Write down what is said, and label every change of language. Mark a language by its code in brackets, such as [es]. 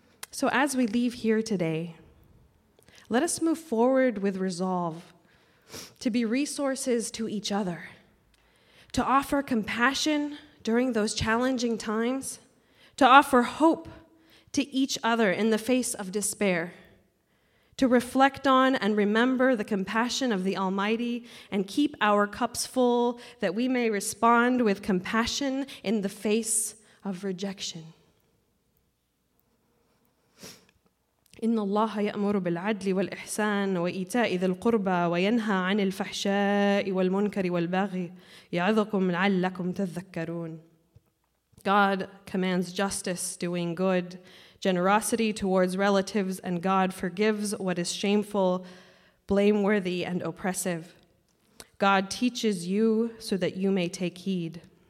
[en] So as we leave here today, let us move forward with resolve to be resources to each other, to offer compassion during those challenging times, to offer hope to each other in the face of despair, to reflect on and remember the compassion of the Almighty and keep our cups full that we may respond with compassion in the face of rejection. [ar] إن الله يأمر بالعدل والإحسان وإيتاء ذي القربى وينهى عن الفحشاء والمنكر والبغي يعظكم لعلكم تذكرون. [en] God commands justice, doing good, generosity towards relatives, and God forgives what is shameful, blameworthy, and oppressive. God teaches you so that you may take heed.